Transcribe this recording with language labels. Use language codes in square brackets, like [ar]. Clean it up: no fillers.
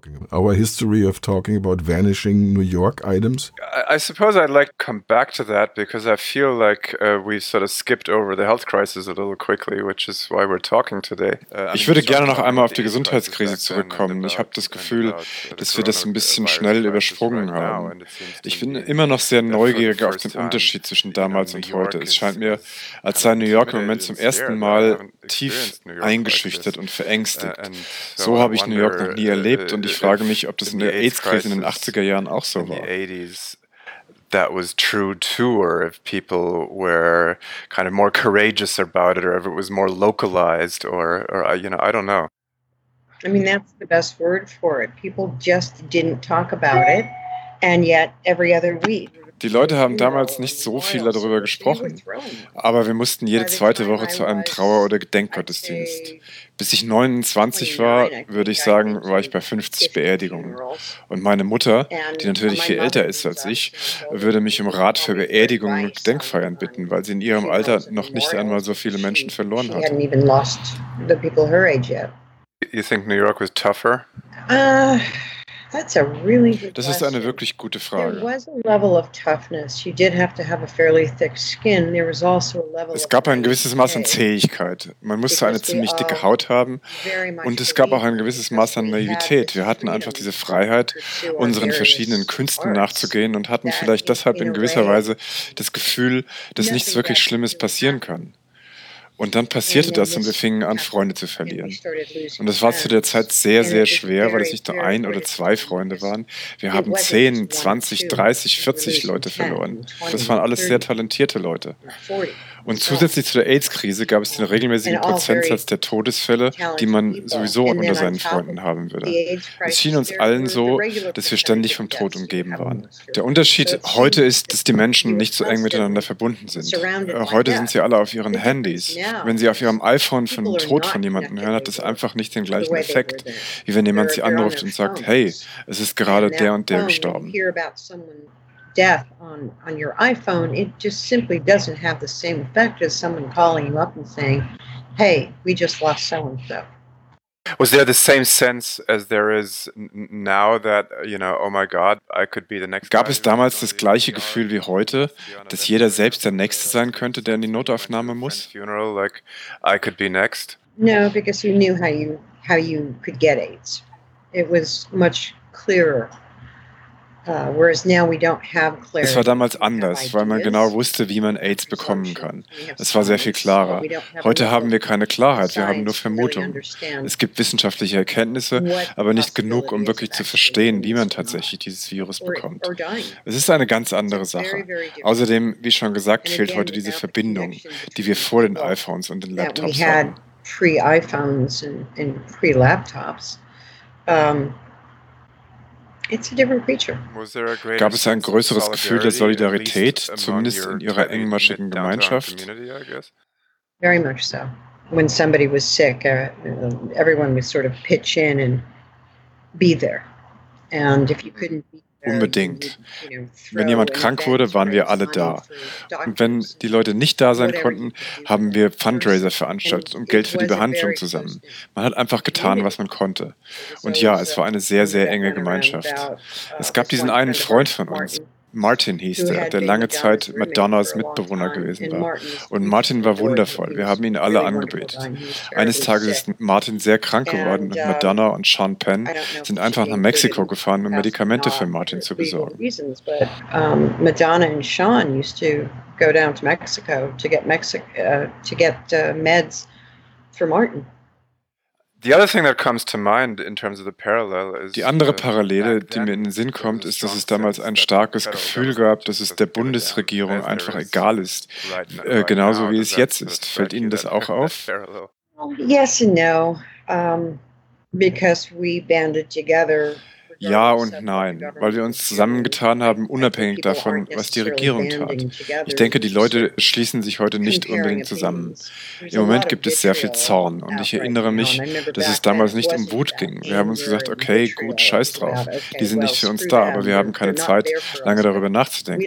[en] Our history of talking about vanishing New York items. I suppose I'd like to come back to that because I feel like we sort of skipped over the health crisis a little quickly, which is why we're talking today. [de] Ich würde gerne noch einmal auf die Gesundheitskrise zurückkommen. Ich habe das Gefühl, dass wir das ein bisschen schnell übersprungen haben. Ich bin immer noch sehr neugierig auf den Unterschied zwischen damals und heute. Es scheint mir, als sei New York im Moment zum ersten Mal tief eingeschüchtert und verängstigt. So habe ich New York noch nie erlebt und ich frage mich, ob das in der AIDS-Krise in den 80er Jahren auch so war. [en] That was true too, or if people were kind of more courageous about it, or if it was more localized, or you know, I don't know. I mean, that's the best word for it. People just didn't talk about it, and yet every other week. [de] Die Leute haben damals nicht so viel darüber gesprochen, aber wir mussten jede zweite Woche zu einem Trauer- oder Gedenkgottesdienst. Bis ich 29 war, würde ich sagen, war ich bei 50 Beerdigungen. Und meine Mutter, die natürlich viel älter ist als ich, würde mich um Rat für Beerdigungen und Gedenkfeiern bitten, weil sie in ihrem Alter noch nicht einmal so viele Menschen verloren hat. [en] You think New York was tougher? That's a really good question. [de] Das ist eine wirklich gute Frage. [en] There was a level of toughness. You did have to have a fairly thick skin. There was also a level. [de] Es gab ein gewisses Maß an Zähigkeit. Man musste eine ziemlich dicke Haut haben. Und es gab auch ein gewisses Maß an Naivität. Wir hatten einfach diese Freiheit, unseren verschiedenen Künsten nachzugehen und hatten vielleicht deshalb in gewisser Weise das Gefühl, dass nichts wirklich Schlimmes passieren kann. Und dann passierte das und wir fingen an, Freunde zu verlieren. Und das war zu der Zeit sehr, sehr schwer, weil es nicht nur ein oder zwei Freunde waren. Wir haben 10, 20, 30, 40 Leute verloren. Das waren alles sehr talentierte Leute. Und zusätzlich zu der AIDS-Krise gab es den regelmäßigen Prozentsatz der Todesfälle, die man sowieso unter seinen Freunden haben würde. Es schien uns allen so, dass wir ständig vom Tod umgeben waren. Der Unterschied heute ist, dass die Menschen nicht so eng miteinander verbunden sind. Heute sind sie alle auf ihren Handys. Wenn sie auf ihrem iPhone von dem Tod von jemandem hören, hat das einfach nicht den gleichen Effekt, wie wenn jemand sie anruft und sagt, hey, es ist gerade der und der gestorben. [en] Death on your iPhone, it just simply doesn't have the same effect as someone calling you up and saying, hey, we just lost so-and-so. Was there the same sense as there is now that, you know, oh my God, I could be the next [de] guy? Gab es damals das gleiche Gefühl wie heute, dass jeder selbst der Nächste sein könnte, der in die Notaufnahme muss? [en] Funeral, like, I could be next? No, because you knew how you could get AIDS. It was much clearer. Whereas now we don't have clarity. [de] Es war damals anders, weil man genau wusste, wie man AIDS bekommen kann. Es war sehr viel klarer. Heute haben wir keine Klarheit, wir haben nur Vermutungen. Es gibt wissenschaftliche Erkenntnisse, aber nicht genug, um wirklich zu verstehen, wie man tatsächlich dieses Virus bekommt. Es ist eine ganz andere Sache. Außerdem, wie schon gesagt, fehlt heute diese Verbindung, die wir vor den iPhones und den Laptops hatten. [en] Pre-iPhones and pre-Laptops. It's a different creature. [de] Gab es ein größeres Gefühl der Solidarität, zumindest in ihrer engmaschigen Gemeinschaft? [en] Very much so. When somebody was sick, everyone would sort of pitch in and be there. And if you couldn't be [de] unbedingt. Wenn jemand krank wurde, waren wir alle da. Und wenn die Leute nicht da sein konnten, haben wir Fundraiser veranstaltet und Geld für die Behandlung zusammen. Man hat einfach getan, was man konnte. Und ja, es war eine sehr, sehr enge Gemeinschaft. Es gab diesen einen Freund von uns, Martin hieß er, der lange Zeit Madonnas Mitbewohner gewesen war. Und Martin war wundervoll. Wir haben ihn alle angebetet. Eines Tages ist Martin sehr krank geworden und Madonna und Sean Penn sind einfach nach Mexiko gefahren, um Medikamente für Martin zu besorgen. Madonna und Sean used to go down to Mexico to get meds for Martin. [en] The other thing that comes to mind in terms of the parallel is [de] die andere Parallele, die mir in den Sinn kommt, ist, dass es damals ein starkes Gefühl gab, dass es der Bundesregierung einfach egal ist, genauso wie es jetzt ist. Fällt Ihnen das auch auf? [en] Yes and no, because we banded together. [de] Ja und nein, weil wir uns zusammengetan haben, unabhängig davon, was die Regierung tat. Ich denke, die Leute schließen sich heute nicht unbedingt zusammen. Im Moment gibt es sehr viel Zorn und ich erinnere mich, dass es damals nicht um Wut ging. Wir haben uns gesagt, okay, gut, scheiß drauf. Die sind nicht für uns da, aber wir haben keine Zeit, lange darüber nachzudenken.